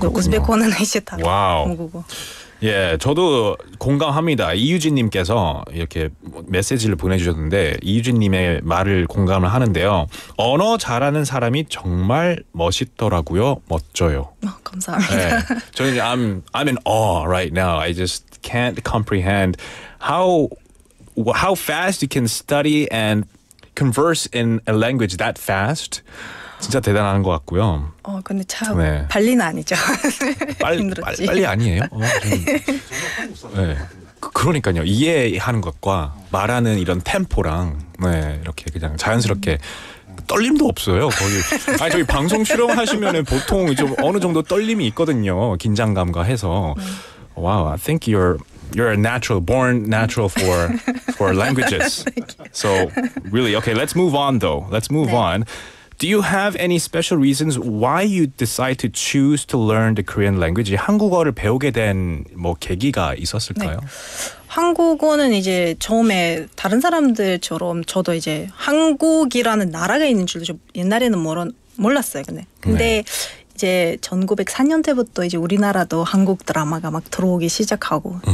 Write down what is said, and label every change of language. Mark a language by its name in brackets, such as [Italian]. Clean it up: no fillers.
[Korean] 우즈벡어는 이제 다 모국어. 예, 저도 공감합니다. 이유진님께서 이렇게 메시지를 보내주셨는데 이유진님의 말을 공감을 하는데요. 언어 잘하는 사람이 정말 멋있더라고요. 멋져요. 어, 감사합니다. 예, 저는 이제 [English] I'm in awe right now. I just can't comprehend how fast you can study and converse in a language that fast. [Korean] 진짜 대단한 것 같고요. 어, 근데 참 네. 발리는 아니죠. 힘들었지. 빨리 아니에요? 어, 네. 그러니까요. 이해하는 것과 말하는 이런 템포랑 네, 이렇게 그냥 자연스럽게 떨림도 없어요. 거의. 아니, 저희 방송 출연하시면은 보통 좀 어느 정도 떨림이 있거든요. 긴장감과 해서. [English] 와우, I think you're a natural, born natural for languages. So really, okay, let's move on though. Let's move 네. on. Do you have any special reasons why you decide to choose to learn the Korean language? [Korean] 한국어를 배우게 된 뭐 계기가 있었을까요? 네. 한국어는 이제 처음에 다른 사람들처럼 저도 이제 한국이라는 나라가 있는 줄도 좀 옛날에는 몰랐어요. 근데 네. 이제 1904년 때부터 이제 우리나라도 한국 드라마가 막 들어오기 시작하고 uh-huh.